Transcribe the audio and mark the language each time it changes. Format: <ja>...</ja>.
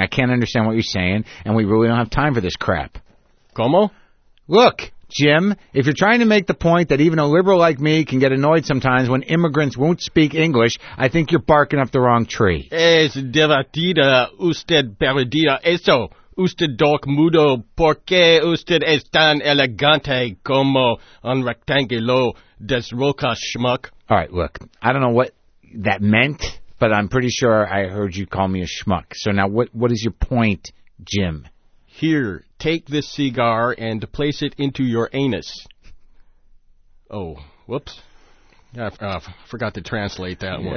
<en>I can't understand what you're saying, and we really don't have time for this crap.</en> <es>¿Cómo?</es> <en>Look, Jim, if you're trying to make the point that even a liberal like me can get annoyed sometimes when immigrants won't speak English, I think you're barking up the wrong tree.</en> <es>Es divertida usted perdida eso. Usted doc mudo, ¿por qué usted es tan elegante como un rectángulo de roca schmuck?</es> <en>All right, look, I don't know what that meant, but I'm pretty sure I heard you call me a schmuck. So now what is your point, Jim? Here, take this cigar and place it into your anus. Oh, whoops. I forgot to translate that one.</en>